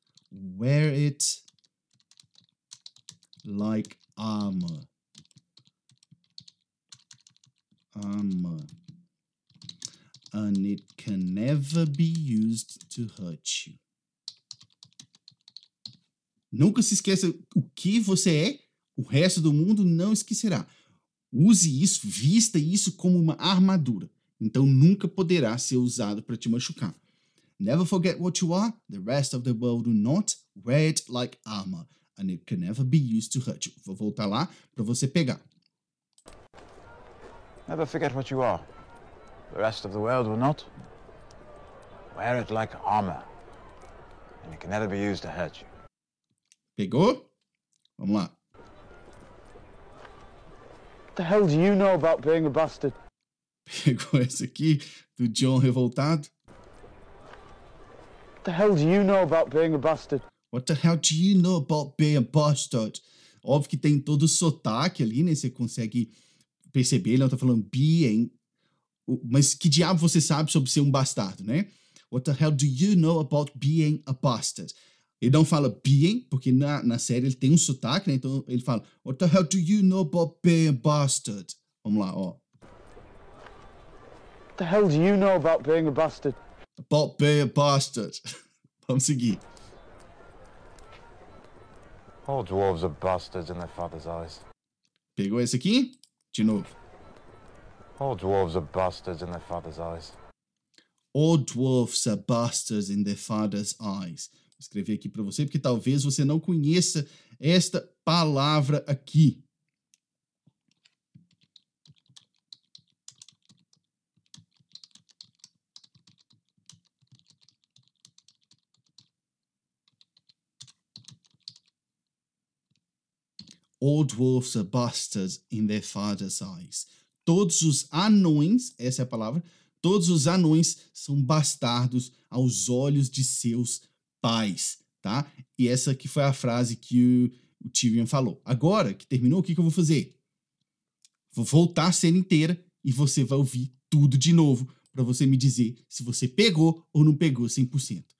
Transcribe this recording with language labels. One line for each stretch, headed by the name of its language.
English: Wear it like armor. Armor. And it can never be used to hurt you.
Portuguese: Nunca se esqueça o que você é, o resto do mundo não esquecerá. Use isso, vista isso como uma armadura. Então nunca poderá ser usado para te machucar.
English: Never forget what you are, the rest of the world will not. Wear it like armor, and it can never be used to hurt you.
Portuguese: Vou voltar lá para você pegar.
English: Never forget what you are. The rest of the world will not. Wear it like armor, and it can never be used to hurt you.
Portuguese: Pegou? Vamos lá.
English: What the hell do you know about being a bastard?
Portuguese: Pegou essa aqui do John revoltado?
English: What the hell do you know about being a bastard? What the hell do you know about being a bastard?
Portuguese: Óbvio que tem todo o sotaque ali, né? Você consegue perceber, ele não tá falando being. Mas que diabo você sabe sobre ser um bastardo, né?
English: What the hell do you know about being a bastard?
Portuguese: Ele não fala being, porque na série ele tem um sotaque, né? Então ele fala,
English: what the hell do you know about being a bastard?
Portuguese: Vamos lá, ó.
English: What the hell do you know about being a bastard? About being a bastard.
Portuguese: Vamos seguir.
English: All dwarves are bastards in their father's eyes.
Portuguese: Pegou esse aqui? De novo.
English: All dwarves are bastards in their father's eyes. All dwarves are bastards in their father's eyes.
Portuguese: Escrevi aqui para você, porque talvez você não conheça esta palavra aqui.
English: All dwarves are bastards in their father's eyes.
Portuguese: Todos os anões, essa é a palavra, todos os anões são bastardos aos olhos de seus pais, tá? E essa aqui foi a frase que o Tyrion falou. Agora que terminou, o que eu vou fazer? Vou voltar a cena inteira e você vai ouvir tudo de novo para você me dizer se você pegou ou não pegou 100%.